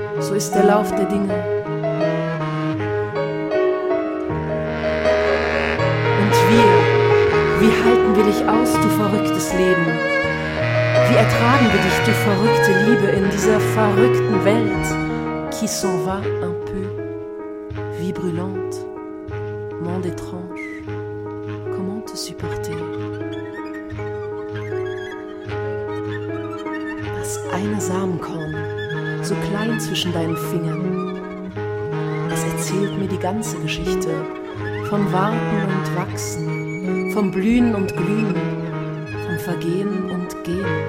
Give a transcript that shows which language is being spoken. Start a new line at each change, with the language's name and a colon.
German: So ist der Lauf der Dinge. Und wir, wie halten wir dich aus, du verrücktes Leben? Wie ertragen wir dich, du verrückte Liebe, in dieser verrückten Welt?
French: Qui s'en va un peu, vie brûlante, monde étrange, comment te supporter?
German: Ein Samenkorn, so klein zwischen deinen Fingern. Es erzählt mir die ganze Geschichte vom Warten und Wachsen, vom Blühen und Glühen, vom Vergehen und Gehen.